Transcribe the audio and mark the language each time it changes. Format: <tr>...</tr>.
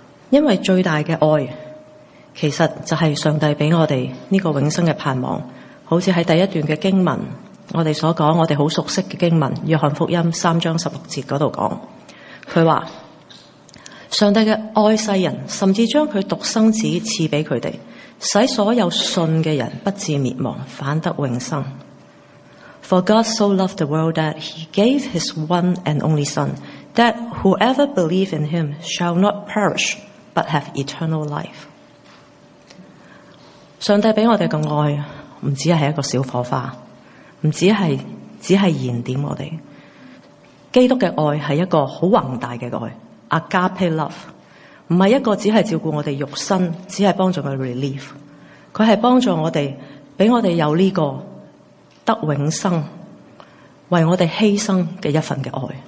<zh>因为最大的爱其实就是上帝给我们这个永生的盼望，好像在第一段的经文我们所讲，我们很熟悉的经文约翰福音三章十六节那里讲，他说上帝的爱世人，甚至将他独生子赐给他们，使所有信的人不至灭亡，反得永生。</zh> <en>For God so loved the world that he gave his one and only son, that whoever believes in him shall not perish, but have eternal life.</en> <zh>上帝给我们的爱不只是一个小火花，不只是燃点我们，基督的爱是一个很宏大的爱， Agape love，不是一个只是照顾我们肉身，只是帮助他 relief， 他是帮助我们，让我们有这个得永生为我们牺牲的一份的爱。</zh>